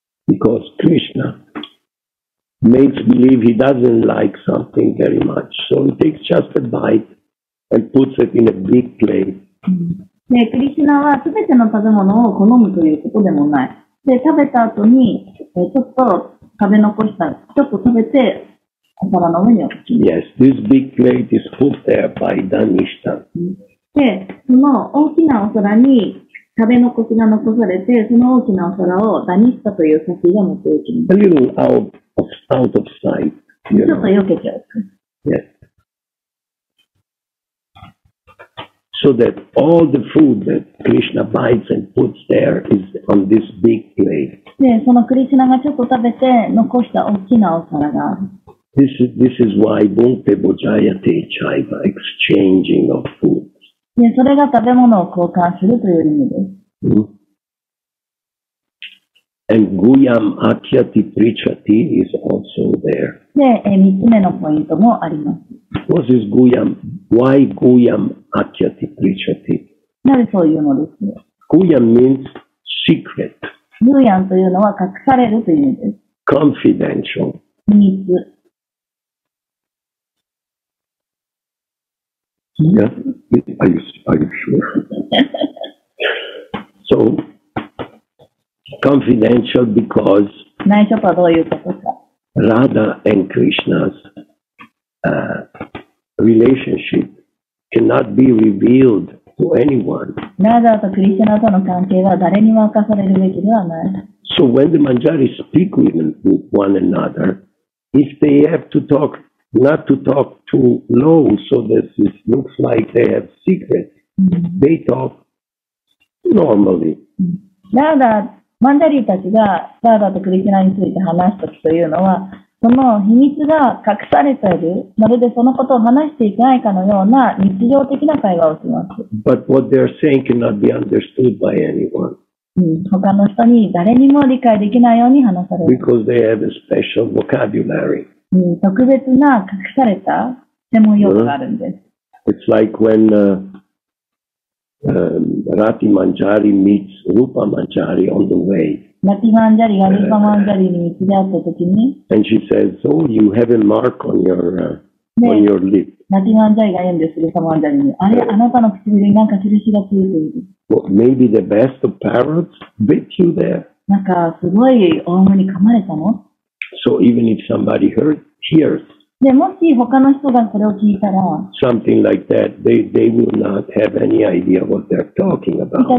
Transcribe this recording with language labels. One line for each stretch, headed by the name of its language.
English: Because Krishna. Makes believe he doesn't like something very much. So he takes just a bite and puts it in a big plate.
Japanese: で、クリシュナは全ての食べ物を好むということでもない。で、食べた後に、ちょっと食べ残した、ちょっと食べて、お皿の上に置く。
English: Yes, this big plate is put there by Danishta.
Japanese: で、その大きなお皿に食べ残しが残されて、その大きなお皿をダニスタという先が持っていきます。
English: Out of sight.
Japanese: ちょっと避けちゃう。
English: Yes. So that all the food that Krishna bites and puts there is on this big plate.
Japanese: で、そのクリシュナがちょっと食べて残した大きなお皿がある。
English: This is why
Sanskrit: Bhunte Bhojayate Chaiva,
English: exchanging of food.
Japanese: で、それが食べ物を交換するという意味です。
English: And
Sanskrit: Guyam Akyati Prichati
English: is also there.
Japanese: で、3つ目のポイントもあります。
English: What is Guyam? Why
Sanskrit: Guyam Akyati Prichati?
Japanese: なぜそういうのですか？
English: Guyam means secret.
Japanese: Guyam というのは隠されるという意味です。
English: Confidential.
Japanese: 秘密。
English: Yeah? Are you sure? So,Confidential because
Japanese: 内緒とはどういうことか
English: Radha and Krishna's relationship cannot be revealed to anyone.
Japanese: Radha とクリシュナとの関係は誰にも明かされるべきではない。
English: So when the manjari speak with one another, if they have to talk, not to talk too low, so that it looks like they have secrets, they talk normally.
Japanese: Radha, manjari たちが Radha とクリシュナについて話すときというのは、その秘密が隠されている、まるでそのことを話していないかのような日常的な会話をします。
English: But what they are saying cannot be understood by anyone.
Japanese: 他の人に誰にも理解できないように話される。
English: Because they have a special vocabulary.
Japanese: 特別な隠された専門用語があるんです。
English: Well, it's like when Rati Manjari meets Rupa Manjari on the way.
Japanese: ラティマンジャリがルーパマンジャリに道であったときに、
English: And she says, oh, you have a mark on your, on your lip.
Japanese: ラティマンジャリが言うんです、ルーパマンジャリに。あれ、あなたの唇になんか印がついている。
English: Well, maybe the best of parrots bit you there.
Japanese: なんかすごいオウムに噛まれたの。
English: So even if somebody hears,
Japanese: でもし他の人がこれを聞いたら、
English: something like that, they will not have any idea what they're talking about.